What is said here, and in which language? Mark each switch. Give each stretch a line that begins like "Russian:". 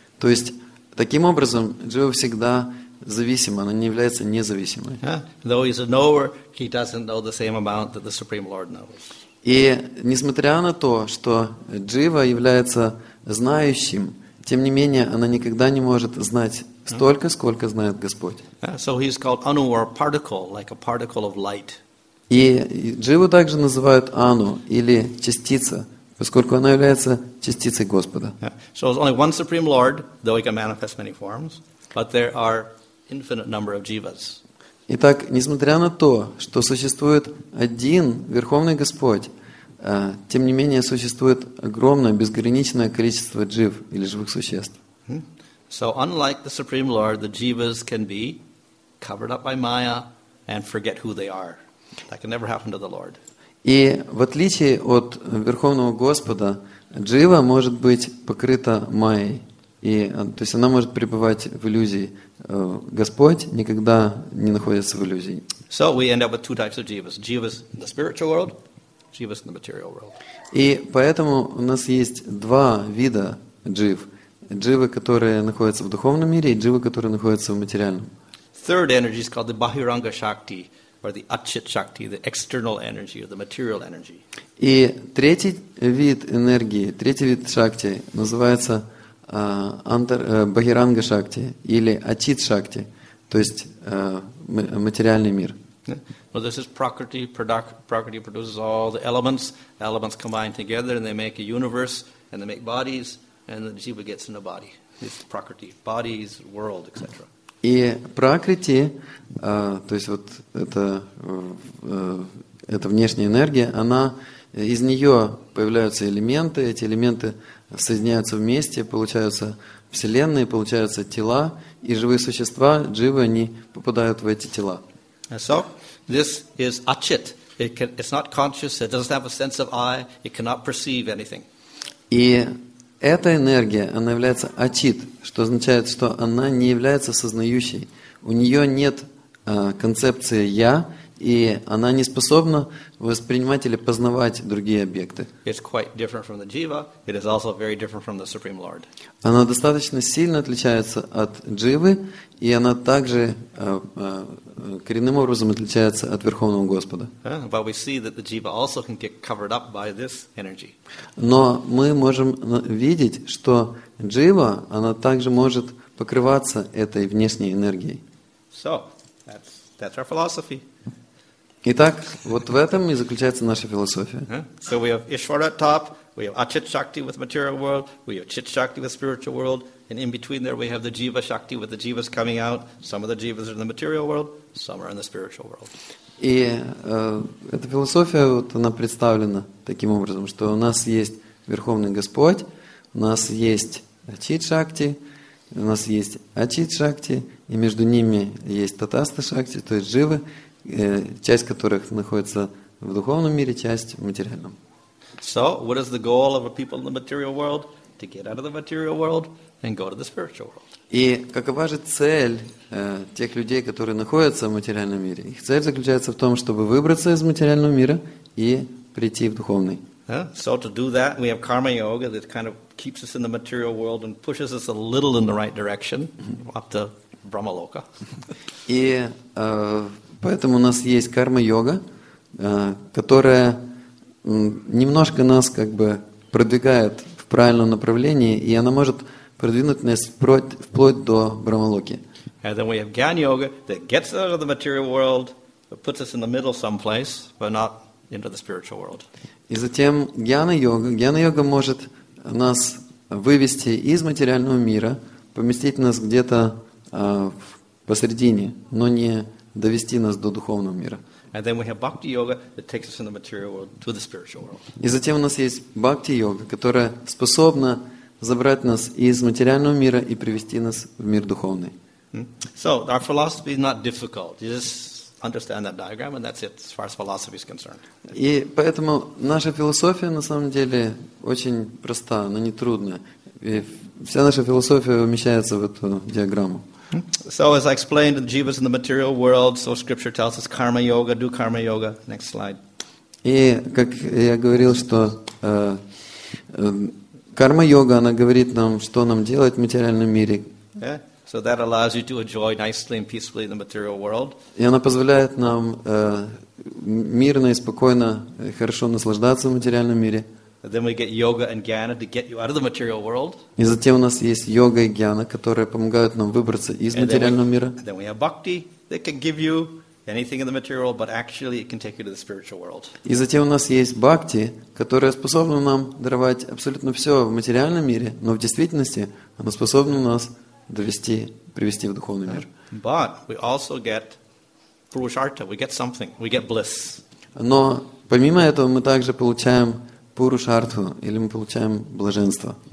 Russian: То есть таким образом джива всегда зависима, она не является независимой.
English: Though he's a knower, he doesn't know the same amount that the Supreme Lord knows.
Russian: И несмотря на то, что Джива является знающим, тем не менее она никогда не может знать столько, сколько знает Господь.
English: So he's called Anu, or a particle, like a particle of light.
Russian: И Дживу также называют Ану, или частица, поскольку она является частицей Господа.
English: So there's only one Supreme Lord, though he can manifest many forms, but there are infinite number of Jivas.
Russian: Итак, несмотря на то, что существует один Верховный Господь, тем не менее существует огромное, безграничное количество джив или живых существ.
English: So unlike the Supreme Lord, the Jivas can be covered up by Maya and forget who they are. That can never happen to the Lord.
Russian: И в отличие от Верховного Господа, Джива может быть покрыта Майей. И, то есть она может пребывать в иллюзии. Господь никогда не находится в иллюзии.
English: So we end up with two types of jivas. Jivas in the spiritual world, jivas in the material world.
Russian: И поэтому у нас есть два вида джив. Дживы, которые находятся в духовном мире, и дживы, которые находятся в материальном.
English: Third energy is called the Bahiranga Shakti, or the Achit Shakti, the external energy, or the material energy.
Russian: И третий вид энергии, третий вид шакти называется Бахиранга Шакти или Ачит Шакти, то есть материальный мир.
English: Well, this is Prakriti. Prakriti produces all the elements. Elements combine together and they make a universe and they make bodies and the jiva gets in a body. It's Prakriti. Bodies, world, etc.
Russian: И Пракрити, то есть вот это внешняя энергия, она из нее появляются элементы, эти элементы соединяются вместе, получаются вселенные, получаются тела, и живые существа, дживы, они попадают в эти тела.
English: So, this is achit. It's not conscious, it doesn't have a sense of I, it cannot perceive anything.
Russian: И эта энергия, она является achit, что означает, что она не является сознающей. У нее нет концепции «я», и она не способна воспринимать или познавать другие объекты.
English: It's quite different from the jiva. It is also very different from the Supreme Lord.
Russian: Она достаточно сильно отличается от дживы, и она также коренным образом отличается от Верховного Господа.
English: But we see that the jiva also can get covered up by this energy.
Russian: Но мы можем видеть, что джива, она также может покрываться этой внешней энергией.
English: So, that's our philosophy.
Russian: Итак, вот в этом и заключается наша философия.
English: So we have Ishvara at top, we have Achit Shakti with material world, we have Chit Shakti with spiritual world, and in between there we have the Jiva Shakti with the Jivas coming out. Some of the Jivas are in the material world, some are in the spiritual world.
Russian: И эта философия, вот она представлена таким образом, что у нас есть Верховный Господь, у нас есть Ачит Шакти, у нас есть Ачит Шакти, и между ними есть Татаста Шакти, то есть Живы, часть которых находится в духовном мире, часть в материальном.
English: So, what is the goal of a people in the material world? To get out of the material world and go to the spiritual world.
Russian: И какова же цель тех людей, которые находятся в материальном мире? Их цель заключается в том, чтобы выбраться из материального мира и прийти в духовный.
English: So, to do that, we have karma yoga that kind of keeps us in the material world and pushes us a little in the right direction, up to Brahmaloka.
Russian: И поэтому у нас есть карма-йога, которая немножко нас как бы продвигает в правильном направлении, и она может продвинуть нас вплоть до Брахмалоки.
English: And then we have Gyan-yoga that gets out of the material world, but puts us in the middle someplace, but not into the spiritual world.
Russian: И затем Гьяна-йога может нас вывести из материального мира, поместить нас где-то посередине, но не довести нас до духовного мира.
English: And then we have bhakti yoga that takes us in the material world to the spiritual world.
Russian: И затем у нас есть бхакти йога, которая способна забрать нас из материального мира и привести нас в мир духовный.
English: So our philosophy is not difficult. You just understand that diagram and that's it as far as philosophy is concerned.
Russian: И поэтому наша философия на самом деле очень проста, она не трудная. И вся наша философия умещается в эту диаграмму.
English: So as I explained, the jivas in the material world, so scripture tells us karma yoga, do karma yoga. Next slide.
Russian: И как я говорил, что карма йога, она говорит нам, что нам делать в материальном мире.
English: Yeah. So that allows you to enjoy nicely and peacefully in the material world.
Russian: И она позволяет нам мирно и спокойно и хорошо наслаждаться в материальном мире.
English: And then we get yoga and jnana to get you out of the material world.
Russian: И затем у нас есть йога и джнана, которые помогают нам выбраться из материального мира.
English: And then we have bhakti that can give you anything in the material, but actually it can take you to the spiritual world.
Russian: И затем у нас есть бхакти, которая способна нам даровать абсолютно все в материальном мире, но в действительности она способна нас довести, привести в духовный мир.
English: But we also get purushartha, we get something, we get bliss.
Russian: Но помимо этого мы также получаем пурушартху, или мы получаем блаженство.